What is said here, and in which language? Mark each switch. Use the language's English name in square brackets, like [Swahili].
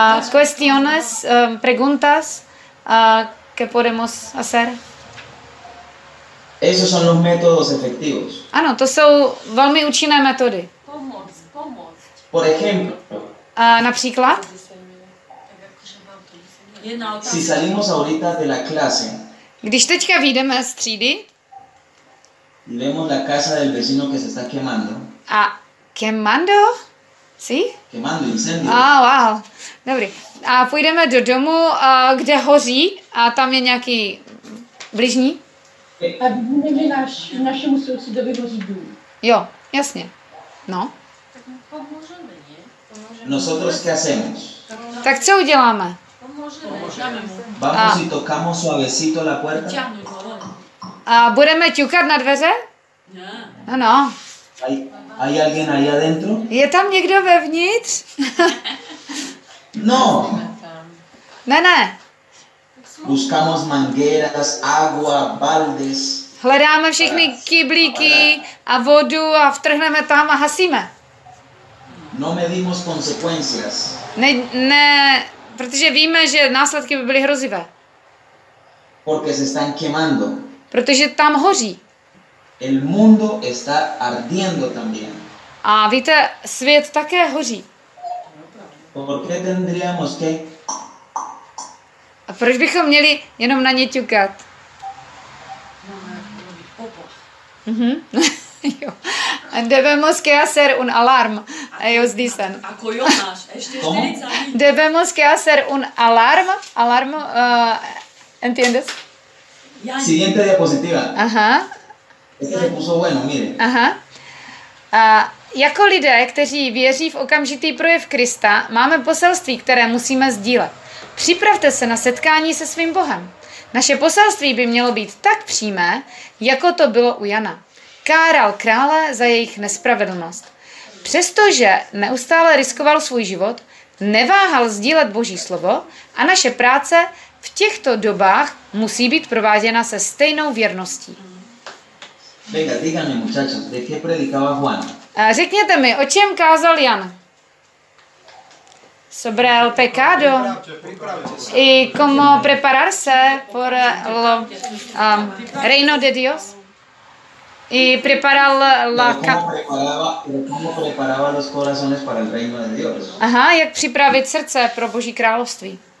[Spanish] Cuestiones, preguntas, que podemos hacer. Esos son los métodos efectivos. [Czech] Ano, to jsou velmi účinné metody. Pomoc. [Spanish] Por ejemplo. [Czech] Například. [Spanish] Si salimos ahorita de la clase. [Czech] Když teďka vyjdeme z třídy. [Spanish] Vemos la casa del vecino que se está quemando. A quemando? Sí? Quemando, incendio. [Czech] Ah, oh, wow. Dobrý. A půjdeme do domu, kde hoří a tam je nějaký bližní. A vidíme, že našemu sousedovi hoří dům. Jo, jasně. No. Tak mu pomůžeme, ne? [Spanish] Nosotros qué hacemos? [Czech] Tak co uděláme? [Spanish] Vamos y tocamos suavecito la puerta. [Czech] A budeme ťukat na dveře? No, no. [Spanish] ¿Hay alguien ahí adentro? [Czech] Je tam někdo vevnitř? [Spanish] No. [Czech] Ne, ne. [Spanish] Buscamos mangueras, agua, baldes. [Czech] Hledáme všechny kyblíky a vodu a vtrhneme tam a hasíme. [Spanish] No medimos consecuencias. [Czech] Ne, ne. Protože víme, že následky by byly hrozivé. [Spanish] Porque se están quemando. [Czech] Protože tam hoří. [Spanish] El mundo está ardiendo también. [Czech] A víte, svět také hoří. [Spanish] ¿Por qué tendríamos que... [Czech] A proč bychom měli jenom na ně ťukat? Jo. [Spanish] Debemos que hacer un alarm. Ellos dicen. [Czech] Ako Jonáš, ještě 40. [Spanish] Debemos que hacer un alarm. Alarm, entiendes? Siguiente diapositiva. Aha. Este se puso bueno, mire. Aha. [Czech] Jako lidé, kteří věří v okamžitý projev Krista, máme poselství, které musíme sdílet. Připravte se na setkání se svým Bohem. Naše poselství by mělo být tak přímé, jako to bylo u Jana. Káral krále za jejich nespravedlnost. Přestože neustále riskoval svůj život, neváhal sdílet Boží slovo a naše práce v těchto dobách musí být prováděna se stejnou věrností. [Spanish] Venga, díganme, muchachos, ¿de qué predicaba Juan? [Czech] Řekněte mi, o čem kázal Jan? [Spanish] Sobre el pecado. Y cómo prepararse por el reino de Dios. Y preparar la ¿Cómo preparaba los corazones para el reino de Dios? [Czech] Aha, jak připravit srdce pro Boží království.